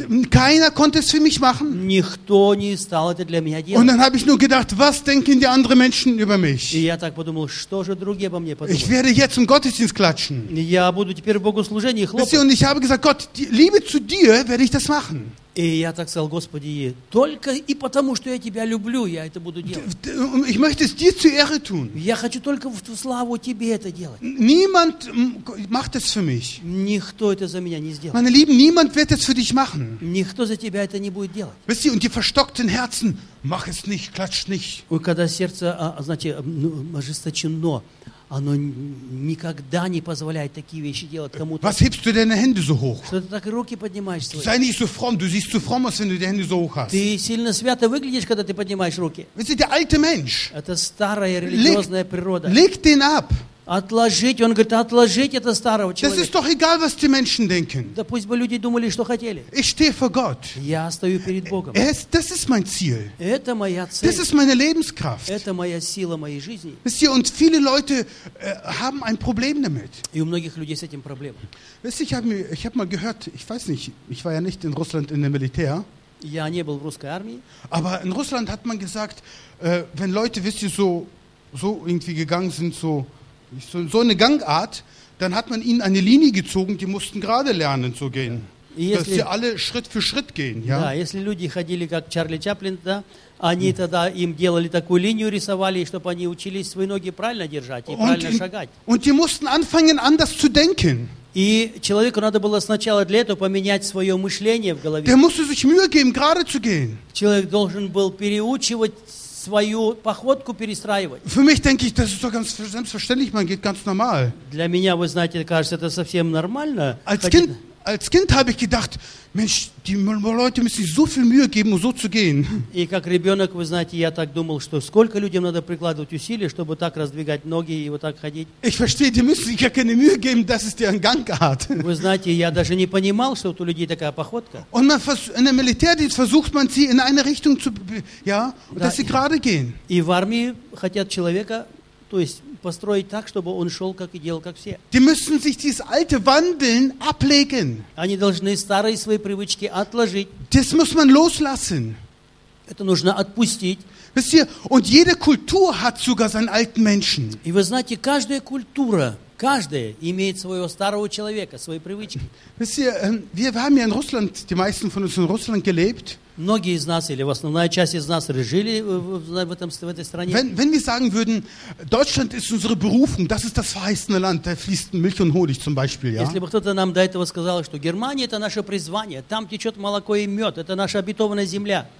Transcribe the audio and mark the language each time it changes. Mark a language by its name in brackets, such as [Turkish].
[German] Keiner konnte es für mich machen. Und dann habe ich nur gedacht, was denken die anderen Menschen über mich? Ich werde jetzt im Gottesdienst klatschen. Wisst ihr, und ich habe gesagt, Gott, Liebe zu dir werde ich das machen. [Russian] И я так сказал, Господи, только и потому, что я тебя люблю, я это буду делать. [German] Ich möchte es dir zur Ehre tun. [Russian] Я хочу только в славу тебе это делать. [German] Niemand macht es für mich. [Russian] Никто это за меня не сделает. [German] Meine Lieben, niemand wird es für dich machen. [Russian] Никто за тебя это не будет делать. [German] Wisst ihr, und die verstockten Herzen, mach es nicht, klatsch nicht. [Russian] Und когда сердце, знаете, ожесточено, оно никогда не позволяет такие вещи делать кому-то. [German] Was hebst du deine Hände so hoch? [Russian] Что ты так руки поднимаешь свои? [German] Sei nicht so fromm, du siehst so fromm aus, wenn du die Hände so hoch hast. [Russian] Ты сильно свято выглядишь, когда ты поднимаешь руки. [German] Weißt du, der alte Mensch. [Russian] Это старая религиозная природа. [German] Leg den ab. [Russian] Отложить, он говорит, отложить это старого человека. [German] Das ist doch egal, was die Menschen denken. [Russian] Да пусть бы люди думали, что хотели. [German] Ich stehe vor Gott. [Russian] Я стою перед Богом. [German] Das ist mein Ziel. [Russian] Это моя цель. [German] Das ist meine Lebenskraft. [Russian] Это моя сила моей жизни. [German] Wisst ihr, und viele Leute haben ein Problem damit. [Russian] И у многих людей с этим проблема. [German] Wisst ihr, ich hab mal gehört, ich weiß nicht, ich war ja nicht in Russland in dem Militär. [Russian] Я не был в русской армии. [German] Aber in Russland hat man gesagt, wenn Leute, wisst ihr, so irgendwie gegangen sind, so eine Gangart, dann hat man ihnen eine Linie gezogen, die mussten gerade lernen zu gehen. Ja. Dass sie alle Schritt für Schritt gehen. Ja, wenn die Leute [Russian] ходили как Чарли Чаплин, да, они тогда им делали такую линию, рисовали, чтобы они учились свои ноги правильно держать и правильно шагать. [German] Und die mussten anfangen, anders zu denken. [Russian] И человеку надо было сначала для этого поменять свое мышление в голове. [German] Der musste sich Mühe geben, gerade zu gehen. [Russian] Человек должен был переучивать свою походку перестраивать. [German] Für mich denke ich, das ist doch ganz selbstverständlich, man geht ganz normal. [Russian] Для меня, вы знаете, кажется, это совсем нормально. [German] Als Kind habe ich gedacht, Mensch, die Leute müssen sich so viel Mühe geben, um so zu gehen. [Russian] И как ребенок, вы знаете, я так думал, что сколько людям надо прикладывать усилия, чтобы так раздвигать ноги и вот так ходить. [German] Ich verstehe, die müssen sich gar keine Mühe geben, das ist deren Gangart. [Russian] Вы знаете, я даже не понимал, что вот у людей такая походка. [German] Und man in der Militärdienst versucht man sie in eine Richtung zu, ja, да, dass sie gerade gehen. [Russian] И в армии хотят человека, то есть построить так, чтобы он шел, как и делал, как все. [German] Die müssen sich dieses alte Wandeln ablegen. [Russian] Они должны старые свои привычки отложить. [German] Das muss man loslassen. [Russian] Это нужно отпустить. [German] Wisst ihr, und jede Kultur hat sogar seinen alten Menschen. [Russian] И вы знаете, каждая культура, каждая имеет своего старого человека, свои привычки. [German] Wisst ihr, wir haben ja in Russland, die meisten von uns in Russland gelebt. [Russian] Многие из нас или основная часть из нас жили в этой стране. [German] Wenn wir sagen würden, Deutschland ist unsere Berufung, das ist das verheißene Land, da fließt Milch und Honig zum Beispiel, ja? [Russian] Если бы кто-то нам до этого сказал, что Германия это наше призвание, там течет молоко и мед, это наша обетованная земля.